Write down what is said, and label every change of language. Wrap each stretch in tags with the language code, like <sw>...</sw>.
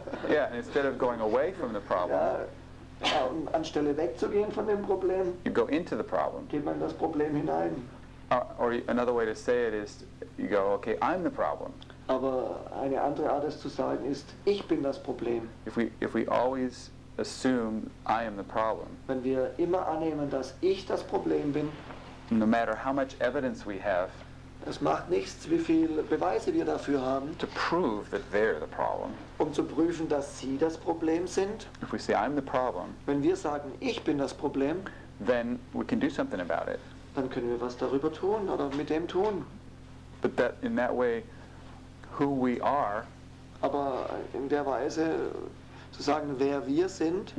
<en>Yeah, and instead of going away from the problem.</en> <de>Ja. Anstelle wegzugehen von dem Problem,</de> <en>you go into the problem.</en> <de>Geht man das Problem hinein.</de> <en>Or another way to say it is, you go, okay, I'm the problem.</en> <de>Aber eine andere Art es zu sagen ist, ich bin das Problem.</de> <en>If we always assume I am the problem.</en> <de>Wenn wir immer annehmen, dass ich das Problem bin.</de> <en>No matter how much evidence we have.</en> <de>Es macht nichts, wie viel Beweise wir dafür haben.</de> <en>To prove that they're the problem.</en> <de>Um zu prüfen, dass sie das Problem sind.</de> <en>If we say, I'm the problem,</en> <de>wenn wir sagen, ich bin das Problem,</de> <en>then we can do something about it.</en> <de>Dann können wir was darüber tun oder mit dem tun.</de> <en>But that, in that way, who we are,</en> <de>aber in der Weise zu sagen, wer wir sind,</de>